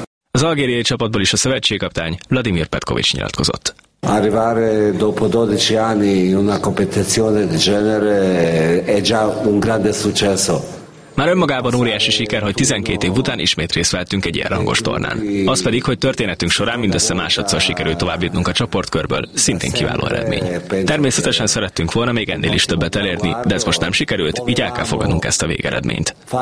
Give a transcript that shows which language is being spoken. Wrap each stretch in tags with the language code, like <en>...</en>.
<hu>Az algériai csapatból is a szövetségkaptány Vladimir Petkovics nyilatkozott.</hu> <it>Arrivare dopo 12 anni in una competizione del genere è già un grande successo.</it> <hu>Már önmagában óriási siker, hogy 12 év után ismét részt vettünk egy ilyen rangos tornán. Az pedig, hogy történetünk során mindössze másodszor sikerült tovább jutnunk a csoportkörből, szintén kiváló eredmény. Természetesen szerettünk volna még ennél is többet elérni, de ez most nem sikerült, így el kell fogadnunk ezt a végeredményt.</hu>